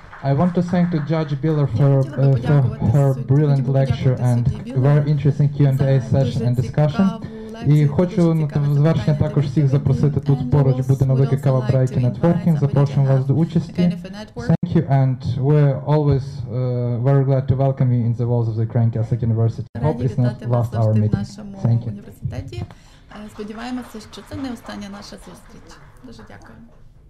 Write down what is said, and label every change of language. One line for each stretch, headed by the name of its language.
English: I want to thank the Judge Biller for her brilliant lecture and very interesting Q&A session and discussion.
Ukrainian: І хочу на завершення також всіх запросити тут поруч, буде на велике колаборейті нетворкінг, запрошуємо вас до участі.
English: Thank you, and we're always very glad to welcome you in the walls of the Ukrainian Catholic University. Hope it's not last our meeting. Thank you.
Ukrainian: Сподіваємося, що це не остання наша зустріч. Дуже дякую.